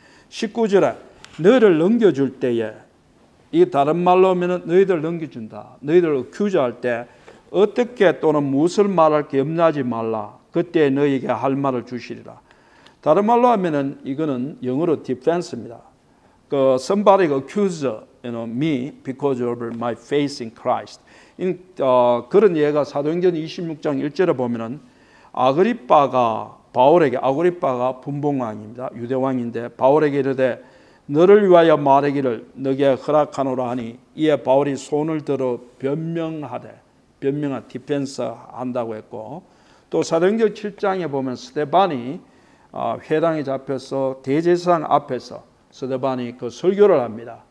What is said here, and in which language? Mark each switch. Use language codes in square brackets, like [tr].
[ko] 19절에 너희를 넘겨줄 때에 이게 다른 말로 하면 너희들 넘겨준다. 너희들 어큐저할 때 어떻게 또는 무엇을 말할 게 염려하지 말라. 그때 너희에게 할 말을 주시리라. 다른 말로 하면 이거는 영어로 defense입니다. [en] 그 somebody accuses you know, me because of my faith in Christ. [ko] 그런 예가 사도행전 26장 1절에 보면은 아그리파가 바울에게 아그리파가 분봉왕입니다. 유대왕인데 바울에게 이르되 너를 위하여 말하기를 너게 허락하노라 하니 이에 바울이 손을 들어 변명하되 변명한 디펜서 한다고 했고 또 사도행전 7장에 보면 스데반이 회당에 잡혀서 대제사장 앞에서 스데반이 그 설교를 합니다.